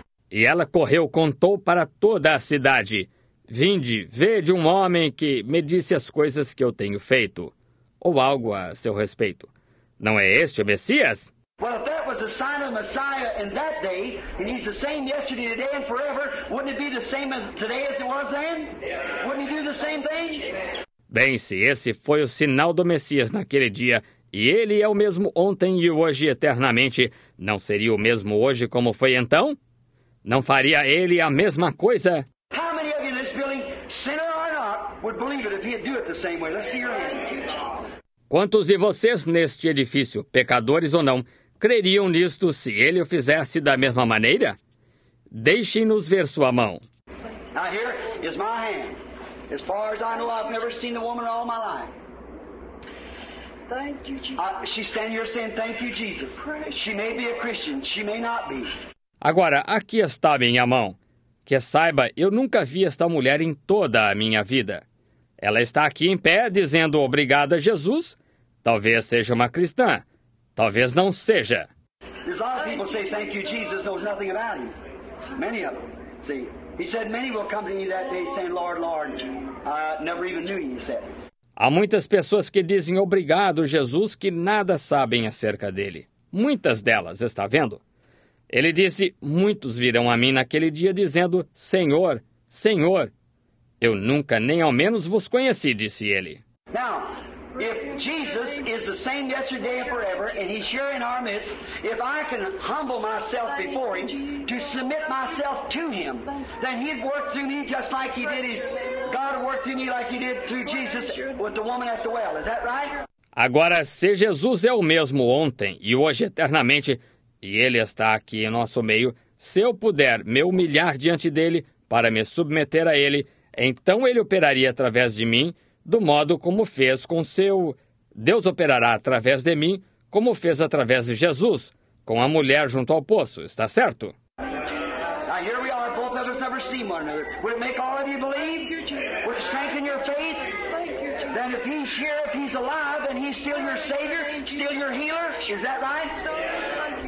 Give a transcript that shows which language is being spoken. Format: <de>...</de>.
<pt>E ela correu, contou para toda a cidade. Vinde, vede um homem que me disse as coisas que eu tenho feito. Ou algo a seu respeito. Não é este o Messias?</pt> <en>Well, if that was a sign of the Messiah in that day, and he's the same yesterday, today, and forever, wouldn't it be the same today as it was then? Wouldn't he do the same thing?</en> <pt>Bem, se esse foi o sinal do Messias naquele dia, e ele é o mesmo ontem e hoje eternamente, não seria o mesmo hoje como foi então? Não faria ele a mesma coisa?</pt> <en>How many of you in this building, sinner or not, would believe it if he'd do it the same way? Let's see your hand.</en> <pt>Quantos de vocês neste edifício, pecadores ou não, creriam nisto se ele o fizesse da mesma maneira? Deixem-nos ver sua mão.</pt> <en>Now here is my hand. As far as I know, I've never seen the woman in all my life. Thank you, Jesus. She's standing here saying, thank you, Jesus. She may be a Christian. She may not be.</en> <pt>Agora, aqui está minha mão. Que saiba, eu nunca vi esta mulher em toda a minha vida. Ela está aqui em pé, dizendo obrigada, Jesus. Talvez seja uma cristã. Talvez não seja.</pt> <en>There's a lot of people say, thank you, Jesus, knows nothing about him. Many of them. See, he said, many will come to me that day saying, Lord, Lord, I never even knew you, he said.</en> <pt>Há muitas pessoas que dizem obrigado, Jesus, que nada sabem acerca dele. Muitas delas, está vendo? Ele disse, muitos virão a mim naquele dia dizendo, Senhor, Senhor. Eu nunca nem ao menos vos conheci, disse ele.</pt> <en>Now, if Jesus is the same yesterday and forever, and he's here in our midst, if I can humble myself before him, to submit myself to him, then he'd work through me just like he did his... God worked through me like he did through Jesus with the woman at the well. Is that right?</en> <pt>Agora, se Jesus é o mesmo ontem e hoje eternamente, e ele está aqui em nosso meio, se eu puder me humilhar diante dele para me submeter a ele... Então ele operaria através de mim, do modo como fez com seu... Deus operará através de mim, como fez através de Jesus, com a mulher junto ao poço, está certo?</pt> <en>Now here we are, both of us never seen one another. Would it make all of you believe? Would it strengthen your faith? Then if he's here, if he's alive, then he's still your savior, still your healer, is that right?</en>